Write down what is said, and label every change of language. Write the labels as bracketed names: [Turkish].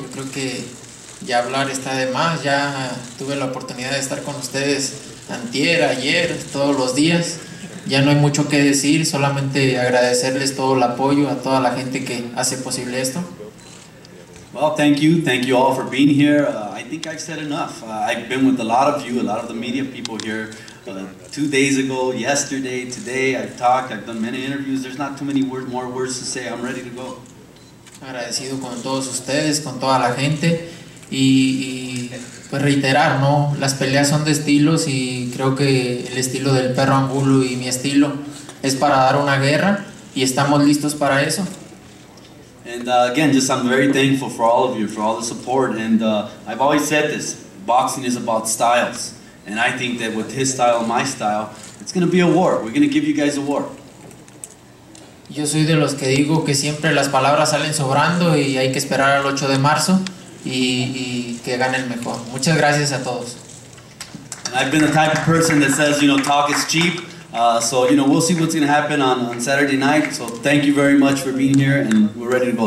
[Spanish] Yo creo que ya hablar está de más. Ya tuve la oportunidad de estar con ustedes antier, ayer, todos los días. Ya no hay mucho que decir, solamente agradecerles todo el apoyo a toda la gente que hace posible esto. [English] Well, thank you all for being here. I think I've said enough. I've been with a lot of you, a lot of the media people here. 2 days ago, yesterday, today, I've talked, I've done many interviews. There's not too many more words to say. I'm ready to go. [Spanish] Agradecido con todos ustedes, con toda la gente. Y pues reiterar, ¿no? Las peleas son de estilos y creo que el estilo del perro Angulo y mi estilo es para dar una guerra y estamos listos para eso. [English] And again, just I'm very thankful for all of you, for all the support. And I've always said this, boxing is about styles. And I think that with his style, my style, it's going to be a war. We're going to give you guys a war. [Spanish] Yo soy de los que digo que siempre las palabras salen sobrando y hay que esperar al 8 de marzo y que gane el mejor. Muchas gracias a todos. [English] And I've been the type of person that says, you know, talk is cheap. So, you know, we'll see what's going to happen on Saturday night. So thank you very much for being here, and we're ready to go.